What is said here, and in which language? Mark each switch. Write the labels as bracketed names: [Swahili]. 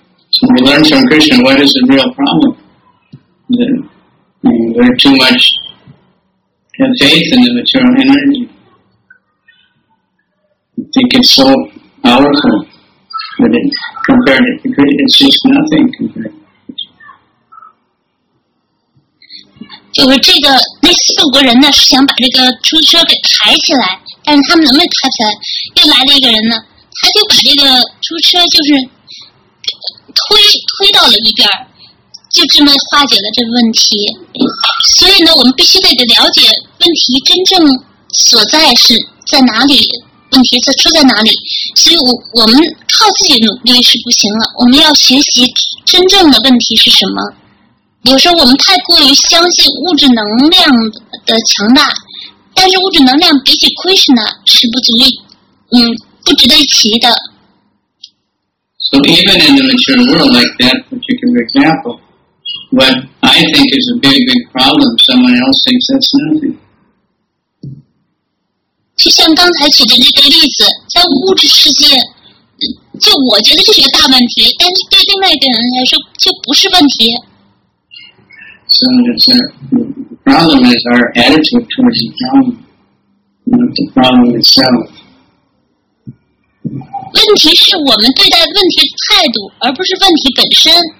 [English] So we learn from Krishna what is the real problem. That we're too much. Have faith in the material energy. I think it's so powerful, but it, compared to Krishna, it's just nothing compared to Krishna. [Chinese] 就是这个那四五个人呢，是想把这个出租车给抬起来，但是他们能不能抬起来？又来了一个人呢，他就把这个出租车就是推到了一边，就这么化解了这个问题。所以呢，我们必须得了解问题真正所在是在哪里，问题在出在哪里。所以我们靠自己努力是不行了，我们要学习真正的问题是什么。有时候我们太过于相信物质能量的强大，但是物质能量比起 Krishna 是不足以，不值得一提的。 [English] So even in the material world like that particular example, what I think is a big, big problem, someone else thinks that's nothing. [Chinese] 就像刚才举的这个例子，在物质世界，就我觉得这是个大问题，但是对另外一个人来说就不是问题。 [English] So the problem is our attitude towards the problem, not the problem itself. [Chinese] 问题是我们对待问题的态度，而不是问题本身。